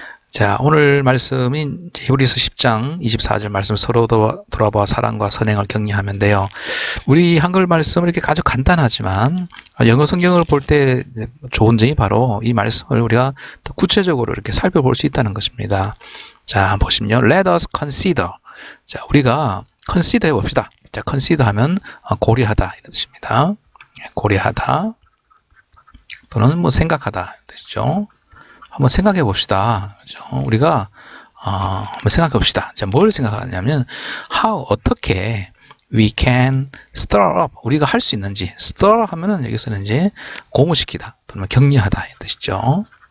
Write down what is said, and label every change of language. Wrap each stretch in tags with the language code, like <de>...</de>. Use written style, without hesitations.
<ko>자, 오늘 말씀인 히브리서 10장 24절 말씀 서로 돌아보아 사랑과 선행을 격려하면 돼요. 우리 한글 말씀은 이렇게 아주 간단하지만 영어 성경을 볼때 좋은 점이 바로 이 말씀을 우리가 더 구체적으로 이렇게 살펴볼 수 있다는 것입니다. 자, 보시면</ko> <en>Let us consider.</en> <ko>자, 우리가 consider 해봅시다. 자, consider 하면 고려하다 이런 뜻입니다. 고려하다 또는 뭐 생각하다 이런 뜻이죠. 한번 생각해 봅시다. 우리가 한번 생각해 봅시다. 자, 뭘 생각하냐면</ko> <en>how</en> <ko>어떻게</ko> <en>we can stir up</en> <ko>우리가 할수 있는지 stir 하면은 여기서는 이제 고무시키다 또는 격려하다 이 뜻이죠.</ko>